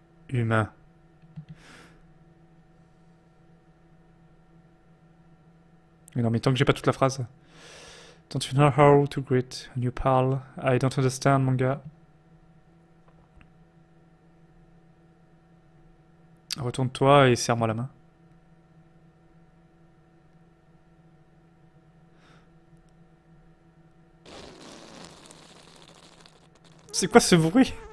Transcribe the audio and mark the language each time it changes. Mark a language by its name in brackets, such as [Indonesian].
[French] Humain. Mais non, mais tant que j'ai pas toute la phrase. [English] Don't you know how to greet a new pal? I don't understand, [French] mon gars. Retourne-toi et serre-moi la main. C'est quoi ce bruit?